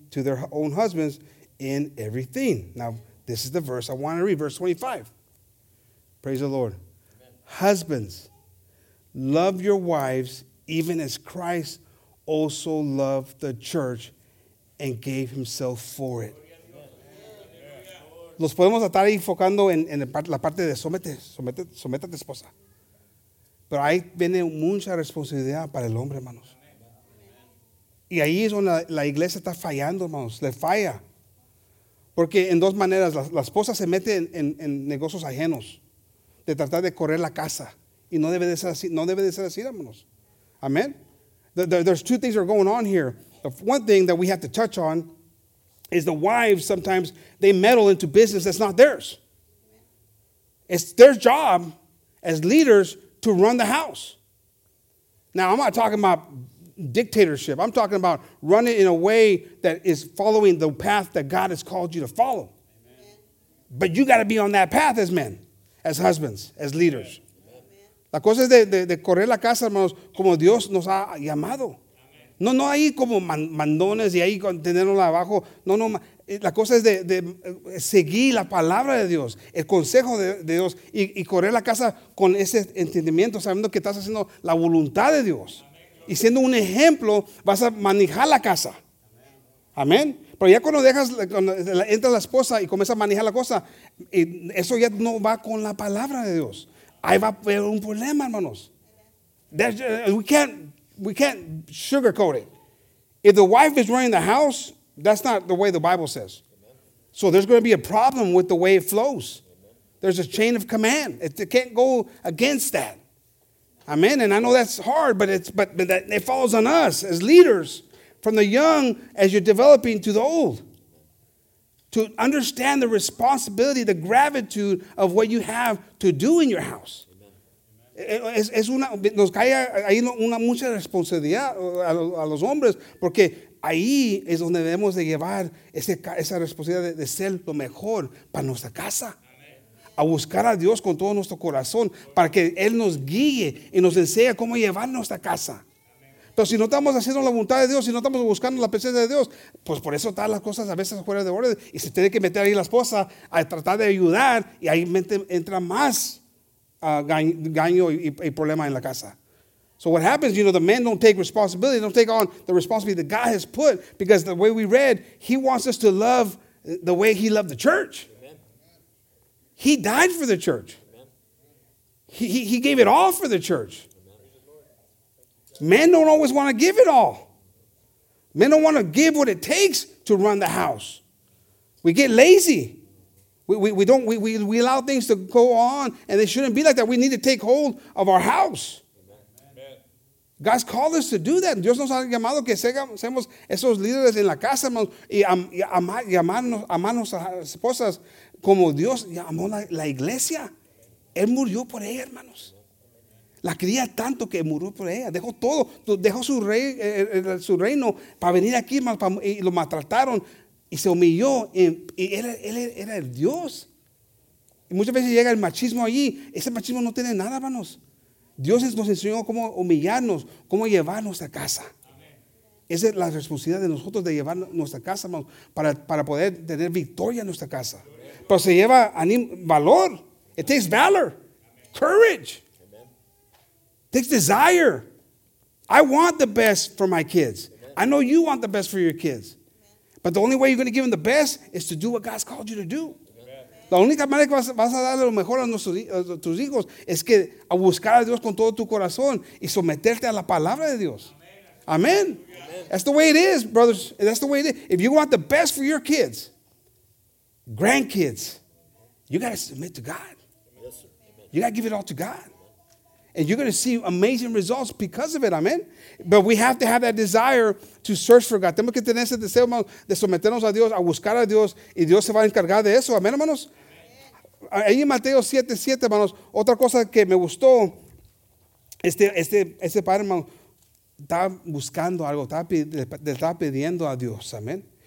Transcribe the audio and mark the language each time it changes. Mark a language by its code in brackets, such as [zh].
[en] to their own husbands in everything. Now, this is the verse I want to read, verse 25. Praise the Lord. Amen. Husbands, love your wives even as Christ also loved the church and gave himself for it. [es] Los podemos estar enfocando en la parte de somete a tu esposa. Pero ahí viene mucha responsabilidad para el hombre, hermanos. Y ahí es donde la iglesia está fallando, hermanos. Le falla. Porque en dos maneras, la esposa se mete en negocios ajenos. De tratar de correr la casa. Y no debe de ser así, no debe de ser así, hermanos. Amén. [en] There's two things that are going on here. The one thing that we have to touch on is the wives, sometimes they meddle into business that's not theirs. It's their job as leaders to run the house. Now, I'm not talking about dictatorship. I'm talking about running in a way that is following the path that God has called you to follow. Amen. But you got to be on that path as men, as husbands, as leaders. [es] Amen. La cosa es de correr la casa, hermanos, como Dios nos ha llamado. No ahí como mandones y ahí con tenerlo abajo. No, la cosa es de seguir la palabra de Dios, el consejo de Dios y correr la casa con ese entendimiento, sabiendo que estás haciendo la voluntad de Dios. Y siendo un ejemplo, vas a manejar la casa. Amén. Pero ya cuando entra la esposa y comienza a manejar la cosa, eso ya no va con la palabra de Dios. Ahí va a haber un problema, hermanos. [en] We can't sugarcoat it. If the wife is running the house, that's not the way the Bible says. So there's going to be a problem with the way it flows. There's a chain of command. It can't go against that. Amen. And I know that's hard, but it falls on us as leaders, from the young as you're developing to the old, to understand the responsibility, the gratitude of what you have to do in your house. [es] Es una, nos cae ahí una mucha responsabilidad a los hombres, porque ahí es donde debemos de llevar esa responsabilidad de ser lo mejor para nuestra casa. Amén. A buscar a Dios con todo nuestro corazón para que Él nos guíe y nos enseñe cómo llevar nuestra casa. Amén. Pero si no estamos haciendo la voluntad de Dios, si no estamos buscando la presencia de Dios, pues por eso están las cosas a veces fuera de orden y se tiene que meter ahí la esposa a tratar de ayudar y ahí entra más gaño y problema en la casa. [en] So what happens, you know, the men don't take responsibility, they don't take on the responsibility that God has put, because the way we read, he wants us to love the way he loved the church. Amen. He died for the church. He gave it all for the church. Amen. Men don't always want to give it all. Men don't want to give what it takes to run the house. We get lazy. We allow things to go on, and they shouldn't be like that. We need to take hold of our house. Amen. God's called us to do that. [es] Dios nos ha llamado que seamos esos líderes en la casa, hermanos, y amarnos a las esposas como Dios llamó la iglesia. Él murió por ella, hermanos. La quería tanto que murió por ella. Dejó todo. Dejó su reino para venir aquí, hermanos, y lo maltrataron. Y se humilló, y él era el Dios. Y muchas veces llega el machismo allí. Ese machismo no tiene nada, hermanos. Dios nos enseñó cómo humillarnos, cómo llevarnos a casa. Amén. Esa es la responsabilidad de nosotros, de llevar nuestra casa, hermanos, para poder tener victoria en nuestra casa. [en] Amén. [es] Pero se lleva valor. [en] It takes valor. Amén. Courage. Amén. It takes desire. I want the best for my kids. Amén. I know you want the best for your kids. But the only way you're going to give them the best is to do what God's called you to do. [es] La única manera que vas a darle lo mejor a tus hijos es que a buscar a Dios con todo tu corazón y someterte a la palabra de Dios. [en] Amen. That's the way it is, brothers. That's the way it is. If you want the best for your kids, grandkids, you got to submit to God. You got to give it all to God. And you're going to see amazing results because of it, amen? But we have to have that desire to search for God. [es] Tenemos que tener ese deseo, hermanos, de someternos a Dios, a buscar a Dios, y Dios se va a encargar de eso, amen, hermanos? Ahí en Mateo 7:7, hermanos, otra cosa que me gustó, este padre, hermano, estaba buscando algo, estaba pidiendo a Dios, amen?